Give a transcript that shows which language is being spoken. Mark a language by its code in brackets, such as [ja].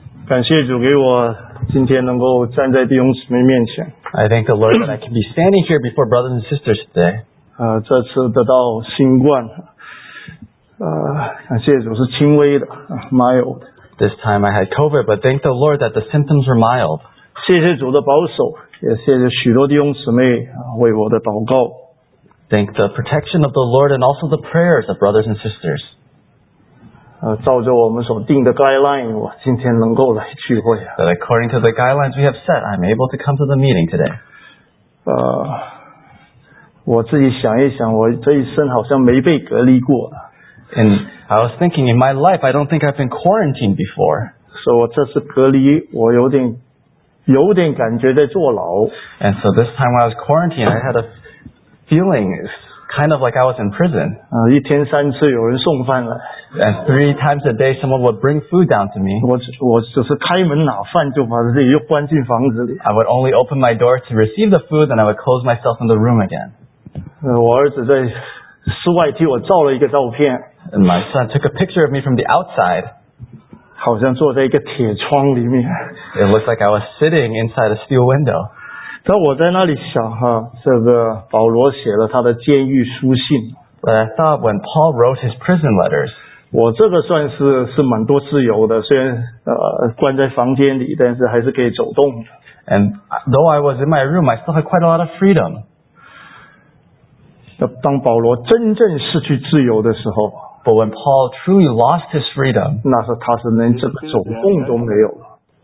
[zh] 感谢主给我今天能够站在弟兄姊妹面前。 [en] I thank the Lord that I can be standing here before brothers and sisters today. [zh] 这次得到新冠，感谢主是轻微的 ， [en] mild。 This time I had COVID, but thank the Lord that the symptoms were mild. [zh] 谢谢主的保守，也谢谢许多弟兄姊妹为我的祷告。 [en] Thank the protection of the Lord and also the prayers of brothers and sisters. [zh] 照着我们所定的 guideline, 我今天能够来聚会。 [en] But according to the guidelines we have set, I'm able to come to the meeting today. [zh] 我自己想一想，我这一生好像没被隔离过。 [en] And I was thinking, in my life, I don't think I've been quarantined before. So [zh] 我这次隔离，我有点感觉在坐牢。 [en] And so this time when I was quarantined, I had a feeling it's kind of like I was in prison. [zh] 一天三次有人送饭来。 [en] And three times a day, someone would bring food down to me. [zh] 我就是开门拿饭就把自己又关进房子里。 [en] I would only open my door to receive the food, and I would close myself in the room again. [zh] 我儿子在室外替我照了一个照片。 [en] And my son took a picture of me from the outside. [zh] 好像坐在一个铁窗里面。 [en] It looked like I was sitting inside a steel window. [zh] 但我在那里想哈，这个保罗写了他的监狱书信。 [en] But I thought when Paul wrote his prison letters. [zh] 我这个算是蛮多自由的，虽然关在房间里，但是还是可以走动。 [en] And though I was in my room, I still had quite a lot of freedom. [zh] 当保罗真正失去自由的时候 [en] ，But when Paul truly lost his freedom， [zh] 那是他是连这个走动都没有了。